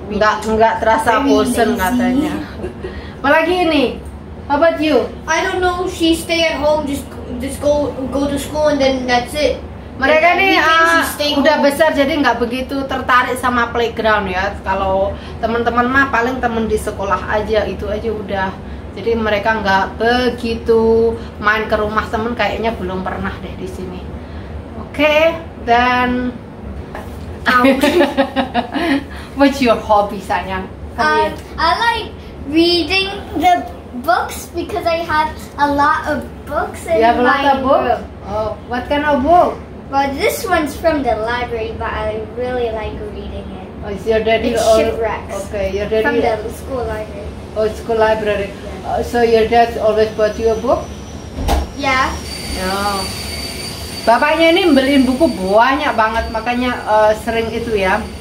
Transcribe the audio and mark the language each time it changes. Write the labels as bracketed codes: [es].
[id] Nggak terasa bosen katanya. Apalagi ini. [en] How about you? I don't know. She stay at home, just go to school and then that's it. [id] Mereka nih udah home. Besar jadi nggak begitu tertarik sama playground ya. Kalau teman-teman mah paling teman di sekolah aja itu aja udah. Jadi mereka nggak begitu main ke rumah temen kayaknya belum pernah deh di sini. [en] Okay, then what's your hobby, Sanyang? I like reading the books because I have a lot of books in my room. You have a lot of books? Room. Oh, what kind of book? Well, this one's from the library, but I really like reading it. Oh, it's your daddy? It's Shipwrecks. Okay, your daddy? From the school library. Oh, school library. Yeah. So your dad always bought you a book? Yeah. Yeah. [id] Bapaknya ini beliin buku banyak banget, makanya sering itu ya.